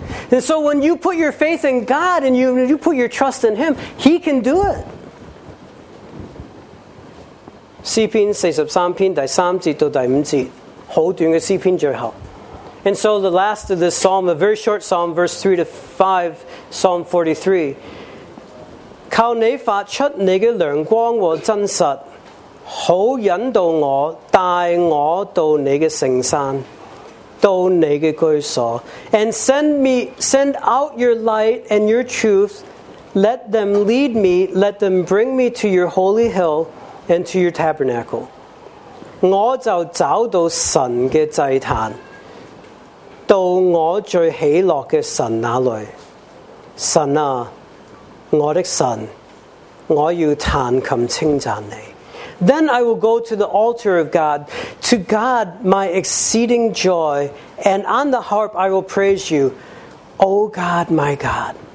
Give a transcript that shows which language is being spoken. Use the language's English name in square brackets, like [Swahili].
[English] And so when you put your faith in God and you put your trust in Him, He can do it. [Chinese] 诗篇43篇第3节到第5节,好短的诗篇最后。 [English] And so the last of this psalm, a very short psalm, verse 3 to 5, Psalm 43. [Chinese] 靠你发出你的良光和真实, 好引导我,带我到你的圣山, 到你的居所, [English] and send out your light and your truth, let them lead me, let them bring me to your holy hill and to your tabernacle. [Chinese] 我就找到神的祭坛, 到我最喜乐的神那里, 神啊, 我的神, 我要弹琴称赞你。 [English] Then I will go to the altar of God, to God my exceeding joy, and on the harp I will praise you, O God, my God.